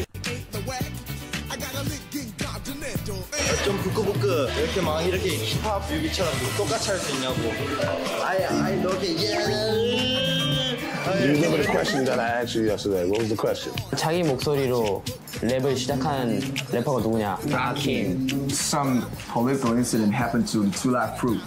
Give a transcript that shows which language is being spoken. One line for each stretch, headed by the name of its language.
English: Do you remember the question that I asked you yesterday? What was the question?
Korean: 자기 목소리로 랩을 시작한 래퍼가 누구냐?
English: Rakim. Some political incident happened to the 2 Live Crew.